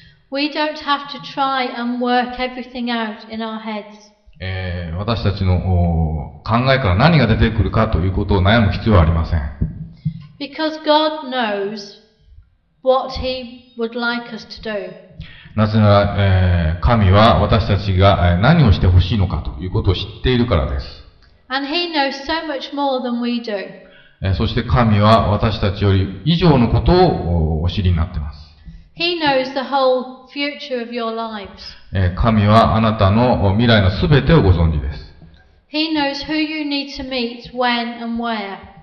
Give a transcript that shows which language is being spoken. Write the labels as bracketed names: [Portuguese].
[English] We don't have to try and work everything out in our heads. [Japanese] 私たちの考えから何が出てくるかということを悩む必要はありません。 [English] Because God knows what He would like us to do. [Japanese] なぜなら、神は私たちが何をしてほしいのかということを知っているからです。 [English] And He knows so much more than we do. [Japanese] そして神は私たちより以上のことをお知りになっています。 [English] He knows the whole future of your lives. [Japanese] 神はあなたの未来のすべてをご存知です。 [English] He knows who you need to meet, when and where.